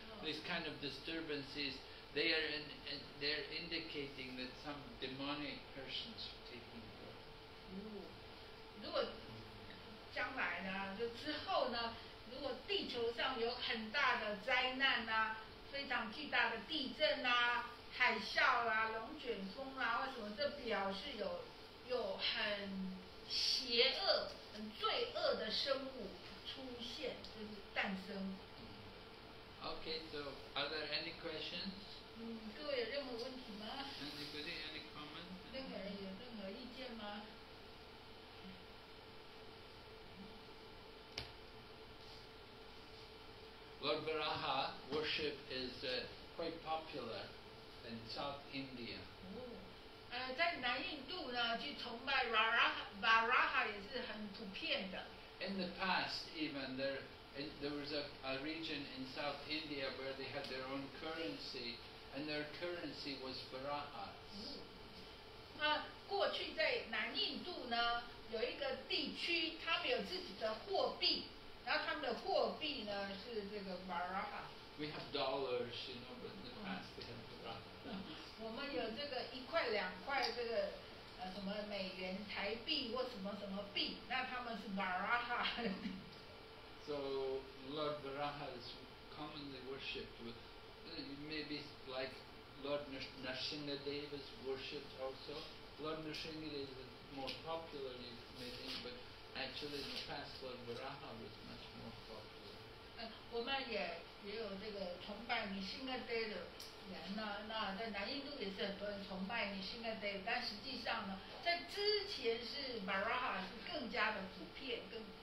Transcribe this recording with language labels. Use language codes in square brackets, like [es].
[en] These kind of disturbances, they are they're indicating that some demonic persons are taking over. [zh] 如果将来呢，就之后呢，如果地球上有很大的灾难啊，非常巨大的地震啊，海啸啊，龙卷风啊，或什么，这表示有很邪恶、很罪恶的生物出现，就是诞生。 [en] Okay, so are there any questions? [zh] 各位有任何问题吗？ [en] Anybody, any comment? [zh] 任何人有任何意见吗？ [en] Lord Varaha worship is quite popular in South India. [zh] 在南印度呢，去崇拜 Varaha 也是很普遍的。 [en] In the past, even there was a region in South India where they had their own currency, and their currency was Varaha. [zh] 那过去在南印度呢，有一个地区，他们有自己的货币，然后他们的货币呢是这个 Varaha. [en] We have dollars, you know, but in the past we had Varaha. [zh] 我们有这个一块两块这个什么美元台币或什么什么币，那他们是 Varaha. [en] So Lord Varaha is commonly worshipped with, maybe like Lord Narsingadeva is worshipped also. Lord Narsingadeva is more popular, you may think, but actually in the past Lord Varaha was much more popular. [zh] 我们也有这个崇拜尼辛格德的人呢，那在南印度也是很多人崇拜尼辛格德，但实际上呢，在之前是 Varaha 是更加的普遍，更